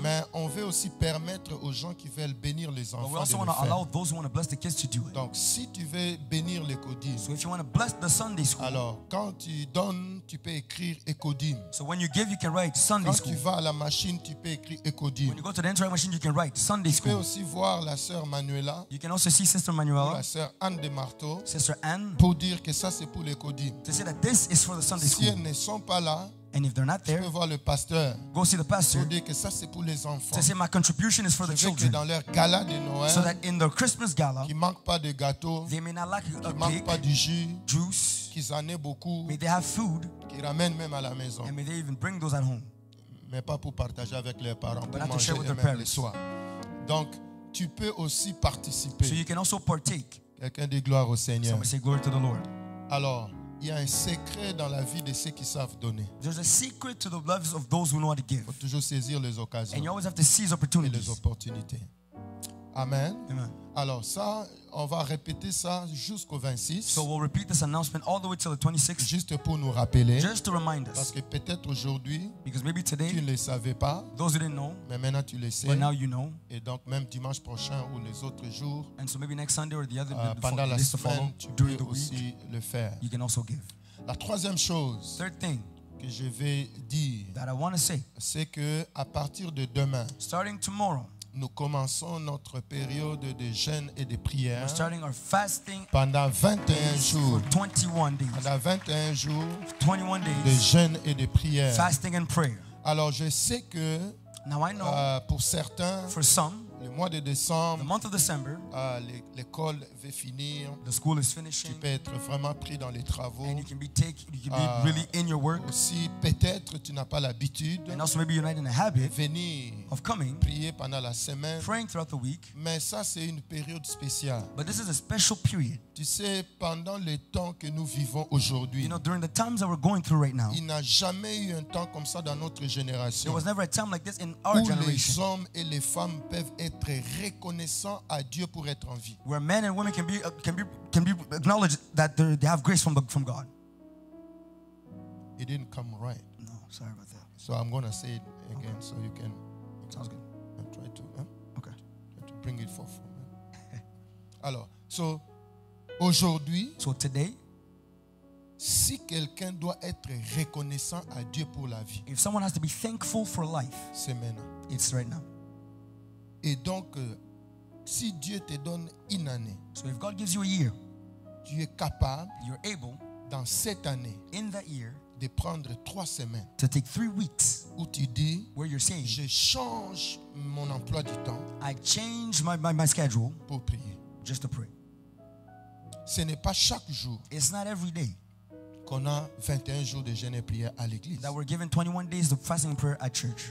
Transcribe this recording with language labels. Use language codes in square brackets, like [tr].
[fr] Mais on veut aussi permettre aux gens qui veulent bénir les enfants. [en] But we also want to allow those who want to bless the kids to do it. [fr] Donc, si tu veux bénir les Codim. [en] So if you want to bless the Sunday School. [fr] Alors, quand tu donnes, tu peux écrire Ecodim. [en] So when you give, you can write Sunday [fr] quand [en] School. [fr] Quand tu vas à la machine, tu peux écrire Ecodim. [en] When you go to the entry machine, you can write Sunday School. [fr] Tu peux aussi voir la sœur Manuela. [en] You can also see Sister Manuela, [fr] la sœur Anne de Marteau, [en] Sister Anne, [fr] pour dire que ça c'est pour les Codim. [en] To say that this is for the Sunday School. [fr] Si elles ne sont pas là, [en] and if they're not there, [fr] tu peux voir le pasteur, [en] go see the pastor, [fr] pour dire que ça c'est pour les enfants. [en] To say my contribution is for the children. [fr] Je veux que dans leur gala de Noël, [en] so that in their Christmas gala, [fr] qu'ils manquent pas de gâteau, [en] they may not lack a cake, [fr] manquent pas du jus, [en] juice, [fr] qu'ils en aient beaucoup, [en] may they have food, [fr] qu'ils ramènent même à la maison, [en] and may they even bring those at home. [fr] Mais pas pour partager avec leurs parents, [en] but not [fr] manger [en] to share with their parents. [fr] Le soir. Donc tu peux aussi participer. [en] So you can also partake. [fr] Quelqu'un dit gloire au Seigneur. [en] Somebody say glory to the Lord. [fr] Alors, il y a un secret dans la vie de ceux qui savent donner. [en] There's a secret to the lives of those who know how to give. [fr] Il faut toujours saisir les occasions. [en] And you always have to seize opportunities. [fr] Et les opportunités. Amen. [en] Amen. [fr] Alors ça, on va répéter ça jusqu'au 26. [en] So we'll repeat this announcement all the way till the 26th. [fr] Juste pour nous rappeler. [en] Just to remind us. [fr] Parce que peut-être aujourd'hui, [en] because maybe today, [fr] tu ne le savais pas. [en] Those who didn't know. [fr] Mais maintenant tu le sais. [en] But now you know. [fr] Et donc même dimanche prochain ou les autres jours. [en] And so maybe next Sunday or the other [fr] pendant [en] the [fr] la semaine, [en] follow, [fr] tu peux aussi le faire. [en] You can also give. [fr] La troisième chose. [en] Third thing. [fr] Que je vais dire. [en] That I want to say. [fr] C'est que à partir de demain. [en] Starting tomorrow. [fr] Nous commençons notre période de jeûne et de prière. [en] We're starting our fasting [fr] pendant 21 jours. [en] For 21 days. [fr] Pendant 21 jours. [en] 21 days. [fr] De jeûne et de prière. [en] Fasting and prayer. [fr] Alors je sais que [en] now I know, [fr] pour certains, [en] for some, [fr] le mois de décembre, [en] the month of December, [fr] l'école va finir. [en] The school is finishing. [fr] Tu peux être vraiment pris dans les travaux. [en] And you can be really in your work. [fr] Aussi, peut-être tu n'as pas l'habitude. [en] And also maybe you're not in the habit. [fr] Venir. [en] Of coming. [fr] Prier pendant la semaine. [en] Praying throughout the week. [fr] Mais ça c'est une période spéciale. [en] But this is a special period. [fr] Tu sais, pendant le temps que nous vivons aujourd'hui. [en] You know, during the times that we're going through right now. [fr] Il n'a jamais eu un temps comme ça dans notre génération. [en] There was never a time like this in our generation. [fr] Où les hommes et les femmes peuvent être reconnaissant à Dieu pour être en vie. [en] Where men and women can be acknowledged that they have grace from God. It didn't come right. No, sorry about that. So I'm going to say it again, okay. So you can. Sounds good. I'll try to. Okay. Try to bring it forth. [fr] Alors, [en] so [fr] aujourd'hui. [en] So today. [fr] Si quelqu'un doit être reconnaissant à Dieu pour la vie. [en] If someone has to be thankful for life. [fr] C'est maintenant. [en] It's right now. [fr] Et donc, si Dieu te donne une année, [en] so if God gives you a year, [fr] tu es capable, [en] you're able, [fr] dans cette année, [en] in that year, [fr] de prendre trois semaines, [en] to take 3 weeks, [fr] où tu dis, [en] where you're saying, [fr] je change mon emploi du temps, [en] I change my schedule, [fr] pour prier, [en] just to pray. [fr] Ce n'est pas chaque jour, [en] it's not every day, [fr] qu'on a 21 jours de jeûne et prière à l'église. [en] That we're given 21 days of fasting and prayer at church.